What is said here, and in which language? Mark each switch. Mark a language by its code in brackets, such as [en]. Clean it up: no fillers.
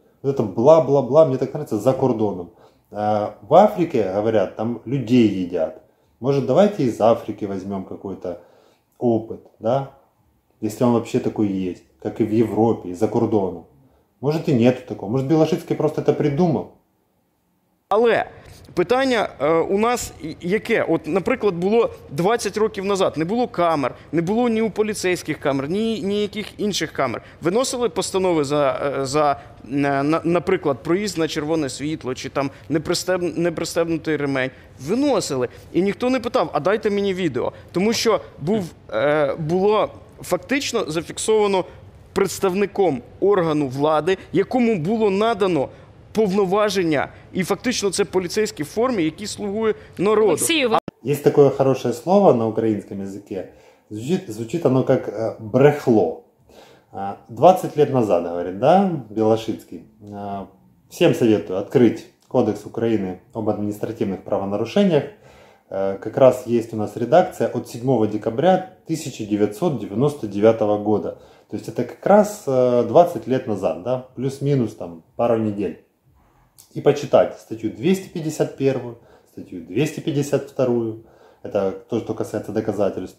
[ru] Вот это бла-бла-бла, мне так нравится, за кордоном. В Африке, говорят, там людей едят. Может, давайте из Африки возьмем какой-то опыт, да? Если он вообще такой есть, как и в Европе, и за кордоном. Может, и нету такого. Может, Белошицкий просто это придумал? [uk] Але питання у нас яке? От, наприклад, було 20 років назад, не було камер, не було ні у поліцейських камер, ні ніяких інших камер. Виносили постанови за наприклад, проїзд на червоне світло, чи там непристебнутий ремень. Виносили. І ніхто не питав, а дайте мені відео. Тому що було фактично зафіксовано представником органу влади, якому було надано повноваження, і фактично це поліцейські форми, які слугує народу. Є таке хороше слово на українському язикі. Звучить воно як брехло. 20 років назад, говорить, да, Белошицький. Всім советую відкрити Кодекс України об адміністративних правонарушеннях. [ru] Как раз есть у нас редакция от 7 декабря 1999 года. То есть это как раз 20 лет назад, да, плюс-минус там пару недель. И почитать статью 251, статью 252, это то, что касается доказательств.